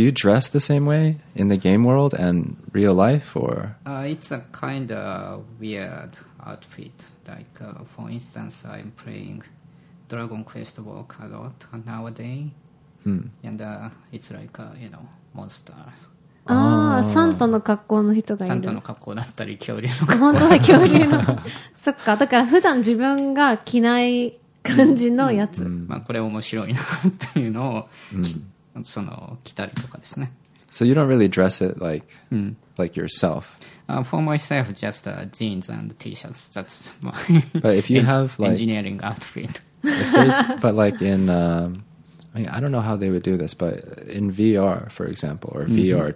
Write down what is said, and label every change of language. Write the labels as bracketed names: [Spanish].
[English] you dress the same way in the game world and real life, or? It's a kind of weird outfit. Like, for instance, I'm playing Dragon Quest Walk a lot nowadays. And it's like, you know, monster. [Japanese] Ah, Santa の格好の人がいる。 Santa の格好だったり、恐竜の格好。本当だ、恐竜の。そっか、だから普段自分が着ない感じのやつ。まあ、これ面白いなっていうのを。その着たりとかですね。 [English] So you don't really dress it like、like yourself. For myself, just、jeans and t-shirts. That's my. But if you have like engineering outfit, but like in,、I mean, I don't know how they would do this, but in VR, for example, or VR、mm-hmm.